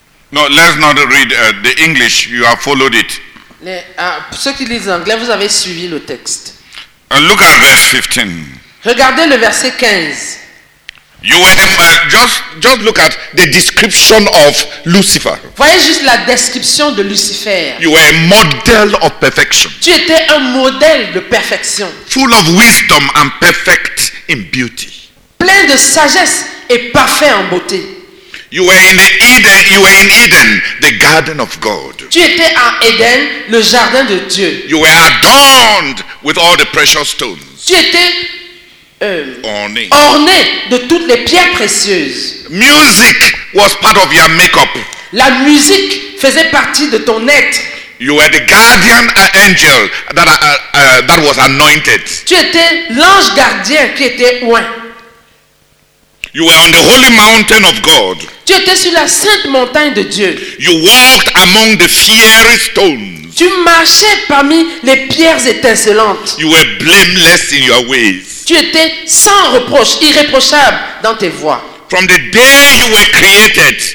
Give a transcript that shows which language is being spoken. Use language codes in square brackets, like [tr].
[en] Non, let's not read the English, you have followed it. [fr] Ceux qui lisent anglais, vous avez suivi le texte. [en] Look at verse 15. [fr] Regardez le verset 15. [en] You have just look at the description of Lucifer. [fr] Voyez juste la description de Lucifer. [en] You were a model of perfection. [fr] Tu étais un modèle de perfection. [en] Full of wisdom and perfect in beauty. [fr] Plein de sagesse et parfait en beauté. [en] You were in Eden. You were in Eden, the garden of God. [fr] Tu étais à Eden, le jardin de Dieu. [en] You were adorned with all the precious stones. [fr] Tu étais orné de toutes les pierres précieuses. [en] Music was part of your makeup. [fr] La musique faisait partie de ton être. [en] You were the guardian angel that was anointed. [fr] Tu étais l'ange gardien qui était oint. [en] You were on the holy mountain of God. [fr] Tu étais sur la sainte montagne de Dieu. [en] You walked among the fiery stones. [fr] Tu marchais parmi les pierres étincelantes. [en] You were blameless in your ways. [fr] Tu étais sans reproche, irréprochable dans tes voies. [en] From the day you were created.